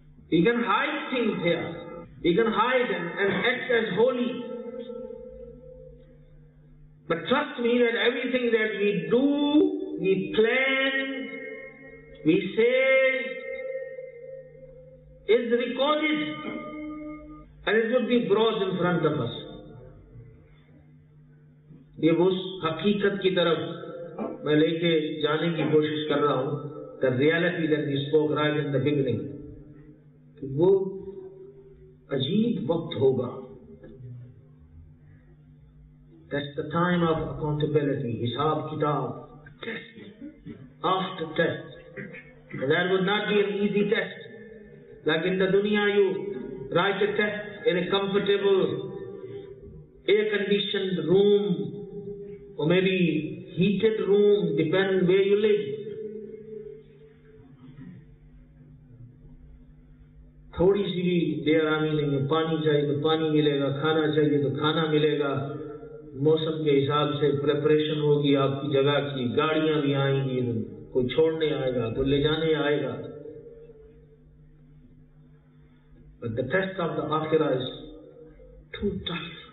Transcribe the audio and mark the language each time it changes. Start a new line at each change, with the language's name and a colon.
English: We can hide things here. We can hide and act as holy. But But trust me that everything that we do, we plan, we say, is recorded and it will be brought in front of us.
Hindi: ये उस हकीकत की तरफ मैं लेके जाने की कोशिश कर रहा हूँ
English: the reality that we spoke right in the beginning.
Hindi: वो अजीब वक्त होगा.
English: That's the time of accountability, hisab kitab, test, after test. And that would not be an easy test. Like in the dunya, you write a test in a comfortable, air-conditioned room, or maybe heated room, depending where you live.
Hindi: थोड़ी सी भी बेआरामी नहीं है. पानी चाहिए तो पानी मिलेगा, खाना चाहिए तो खाना मिलेगा. मौसम के हिसाब से प्रिपरेशन होगी आपकी जगह की, गाड़ियां भी आएंगी, कोई छोड़ने आएगा, कोई ले जाने आएगा.
English: But the test of the akhirah is too tough.